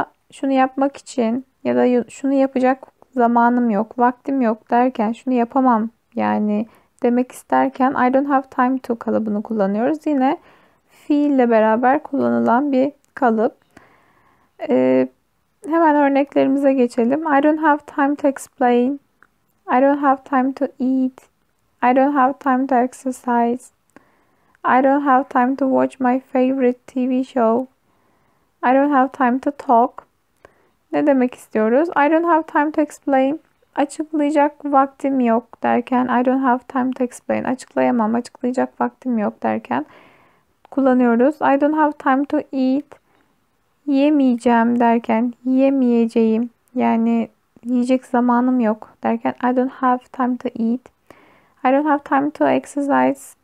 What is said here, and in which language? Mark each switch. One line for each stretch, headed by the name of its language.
Turkish: Şunu yapmak için ya da şunu yapacak zamanım yok, vaktim yok derken, şunu yapamam yani demek isterken
English: I don't have time to
Turkish: kalıbını kullanıyoruz. Yine fiille beraber kullanılan bir kalıp. Hemen örneklerimize geçelim.
English: I don't have time to explain. I don't have time to eat. I don't have time to exercise. I don't have time to watch my favorite TV show. I don't have time to talk.
Turkish: Ne demek istiyoruz?
English: I don't have time to explain.
Turkish: Açıklayacak vaktim yok derken,
English: I don't have time to explain.
Turkish: Açıklayamam, açıklayacak vaktim yok derken kullanıyoruz.
English: I don't have time to eat.
Turkish: Yemeyeceğim derken, yiyemeyeceğim. Yani yiyecek zamanım yok derken,
English: I don't have time to eat. I don't have time to exercise.